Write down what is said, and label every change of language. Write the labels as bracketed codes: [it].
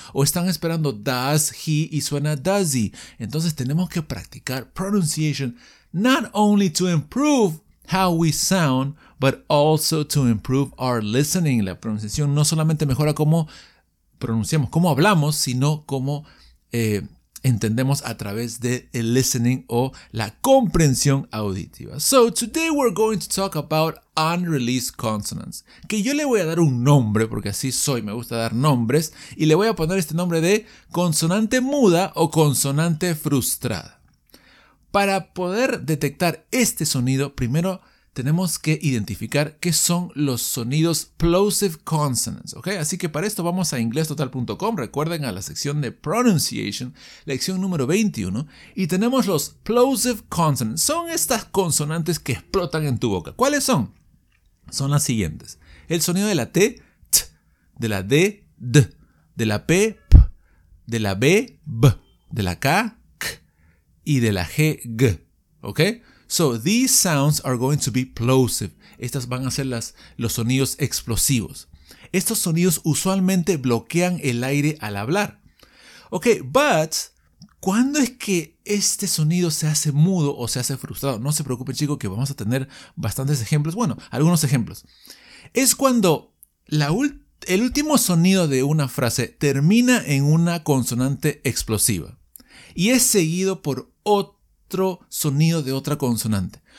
[es] O están esperando does he y suena does he. Entonces tenemos que practicar [en] pronunciation not only to improve how we sound, but also to improve our listening. [es] La pronunciación no solamente mejora cómo pronunciamos, cómo hablamos, sino cómo entendemos a través de el listening o la comprensión auditiva. [en] So, today we're going to talk about unreleased consonants. [es] Que yo le voy a dar un nombre, porque así soy, me gusta dar nombres. Y le voy a poner este nombre de consonante muda o consonante frustrada. Para poder detectar este sonido, primero tenemos que identificar qué son los sonidos plosive consonants, ¿ok? Así que para esto vamos a inglestotal.com, recuerden a la sección de pronunciation, lección número 21, y tenemos los plosive consonants. Son estas consonantes que explotan en tu boca. ¿Cuáles son? Son las siguientes. El sonido de la T, T, de la D, D, de la P, P, de la B, B, de la K, K, y de la G, G, ¿ok? [en] So, these sounds are going to be plosive. [es] Estas van a ser los sonidos explosivos. Estos sonidos usualmente bloquean el aire al hablar. Ok, but, ¿cuándo es que este sonido se hace mudo o se hace frustrado? No se preocupen, chicos, que vamos a tener bastantes ejemplos. Bueno, algunos ejemplos. Es cuando el último sonido de una frase termina en una consonante explosiva y es seguido por otro sonido de otra consonante.